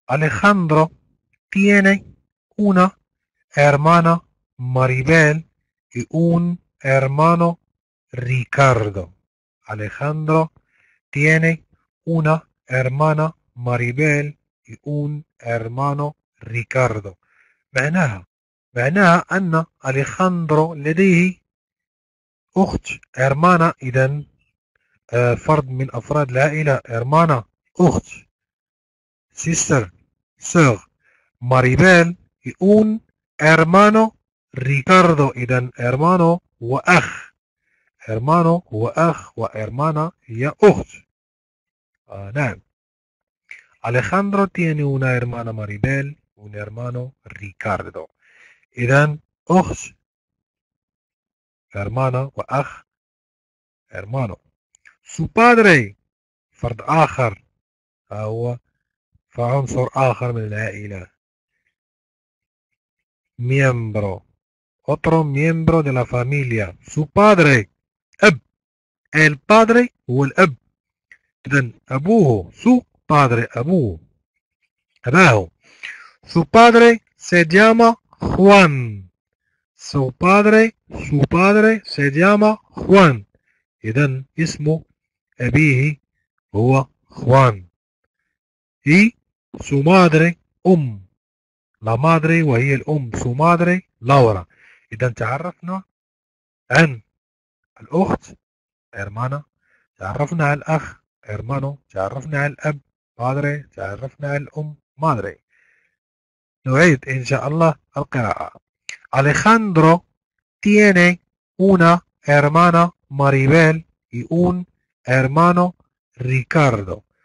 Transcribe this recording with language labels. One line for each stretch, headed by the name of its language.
Spanish: أليخاندرو tiene una hermana Maribel y un hermano Ricardo. Alejandro tiene una hermana Maribel y un hermano Ricardo.
Arabic: معناها أن أليخاندرو لديه أخت، هرمانا إذن فرد من أفراد العائلة، هرمانا أخت، سيستر، سوغ، ماريبيل، يون هرمانو ريكاردو، إذن هرمانو هو أخ، هرمانو هو أخ وهرمانا هي أخت. نعم.
Spanish: Alejandro tiene una hermana Maribel y un hermano Ricardo.
Arabic: إذن أخت، hermana وأخ، hermano.
Spanish: Su padre،
Arabic: فرد آخر، هو فعنصر آخر من العائلة.
Spanish: Miembro، otro miembro de la familia. Su padre، أب. El padre
Arabic: هو الأب. إذن أبوه،
Spanish: su padre،
Arabic: أباه.
Spanish: Su padre se llama Juan. Su padre se llama Juan.
Arabic: إذن اسم أبيه هو Juan.
Spanish: Y su madre أم. La madre
Arabic: وهي الأم.
Spanish: Su madre Laura.
Arabic: إذن تعرفنا عن الأخت هرمانا، تعرفنا على الأخ هرمانو، تعرفنا على الأب Padre، تعرفنا على الأم madre. نعيد إن شاء الله القراءة.
Spanish: Alejandro tiene una hermana Maribel y un hermano Ricardo.